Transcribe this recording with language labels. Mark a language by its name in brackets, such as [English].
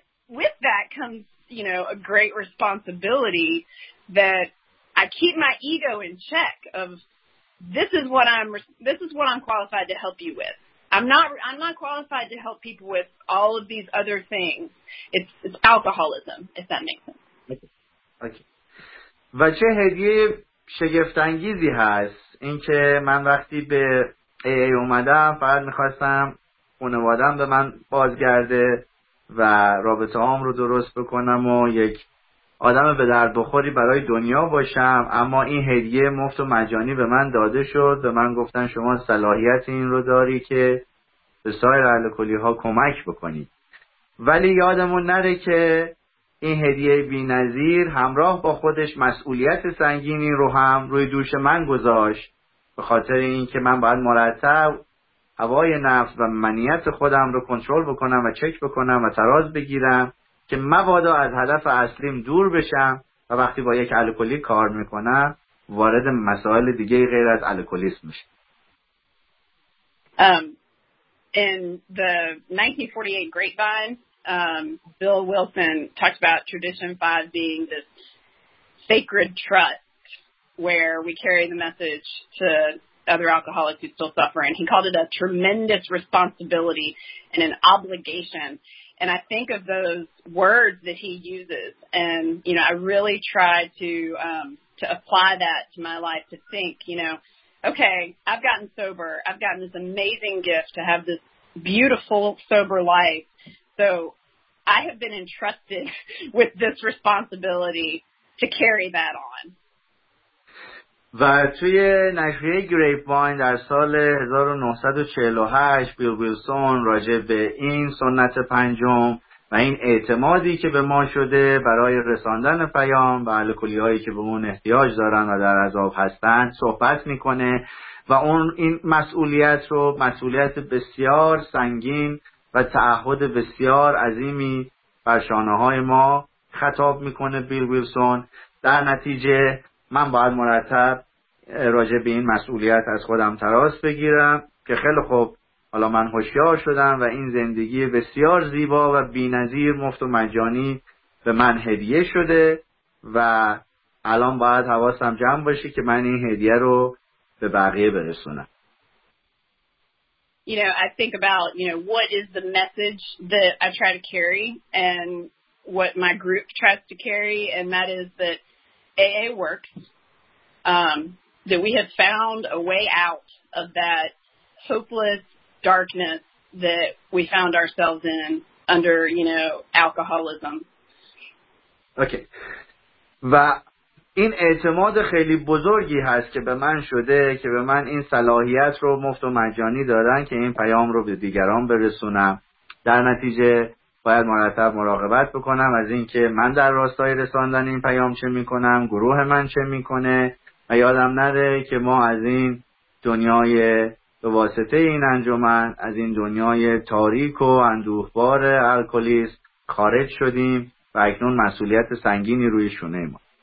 [English] with that comes, you know, a great responsibility that I keep my ego in check of this is what I'm qualified to help you with. I'm not qualified to help people with all of these other things. It's alcoholism, if that makes sense. Okay. [Persian] و چه هدیه شگفت‌انگیزی هست اینکه من وقتی به AA اومدم فقط می‌خواستم خانواده‌ام به من بازگرده و رابطه هام رو درست بکنم و یک آدم به درد بخوری برای دنیا باشم، اما این هدیه مفت و مجانی به من داده شد و من گفتن شما صلاحیت این رو داری که به سایر الکلی ها کمک بکنی. ولی یادمون نره که این هدیه بی نظیر همراه با خودش مسئولیت سنگینی رو هم روی دوش من گذاشت، به خاطر این که من باید مرتب هوای نفس و منیت خودم رو کنترل بکنم و چک بکنم و تراز بگیرم که مبادا از هدف اصلیم دور بشم و وقتی با یک الکلی کار میکنم وارد مسائل دیگه غیر از الکلیسم میشه. [English] In the 1948 Grapevine, Bill Wilson talked about tradition 5 being this sacred trust where we carry the message to other alcoholics who still suffer, and he called it a tremendous responsibility and an obligation. And I think of those words that he uses, and you know, I really try to apply that to my life, to think, you know, okay, I've gotten sober, I've gotten this amazing gift to have this beautiful, sober life. So I have been entrusted with this responsibility to carry that on. [Persian] و توی نشریه گریپ واین در سال 1948 بیل ویلسون راجع به این سنت پنجم و این اعتمادی که به ما شده برای رساندن پیام و الکلی‌هایی که به اون احتیاج دارن و در عذاب هستن صحبت میکنه و اون این مسئولیت رو مسئولیت بسیار سنگین و تعهد بسیار عظیمی بر شانه‌های ما خطاب میکنه بیل ویلسون. در نتیجه من باید مرتب راجع به این مسئولیت از خودم تراس بگیرم که خیلی خوب حالا من هوشیار شدم و این زندگی بسیار زیبا و بی‌نظیر مفت و مجانی به من هدیه شده و الان باید حواسم جمع باشه که من این هدیه رو به بقیه برسونم. [English] You know, I think about, you know, what is the message that I try to carry and what my group tries to carry, and that is that AA works, that we have found a way out of that hopeless darkness that we found ourselves in under, you know, alcoholism. Okay. [Persian] و این اعتماد خیلی بزرگی هست که به من شده که به من این صلاحیت رو مفت و مجانی دادن که این پیام رو به دیگران برسونم. در نتیجه باید مرتب مراقبت بکنم از اینکه من در راستای رساندن این پیام چه میکنم، گروه من چه میکنه، و یادم نره که ما از این دنیای به واسطه این انجمن، از این دنیای تاریک و اندوهبار الکلیست خارج شدیم و اکنون مسئولیت سنگینی روی شونه ما.